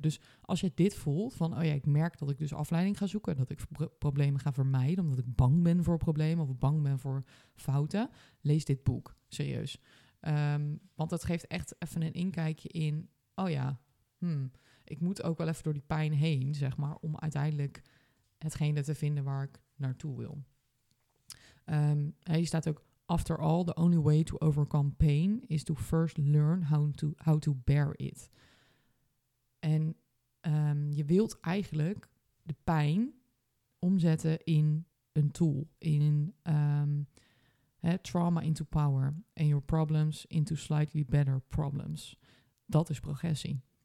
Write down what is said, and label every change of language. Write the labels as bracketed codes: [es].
[nl] Dus als je dit voelt van, oh ja, ik merk dat ik dus afleiding ga zoeken, dat ik problemen ga vermijden omdat ik bang ben voor problemen of bang ben voor fouten, lees dit boek, serieus. Want dat geeft echt even een inkijkje in, oh ja, ik moet ook wel even door die pijn heen, zeg maar, om uiteindelijk hetgene te vinden waar ik naartoe wil. Hier staat ook, [en] after all, the only way to overcome pain is to first learn how to bear it. [nl] En je wilt eigenlijk de pijn omzetten in een tool, in [en] trauma into power and your problems into slightly better problems. [nl] Dat is progressie.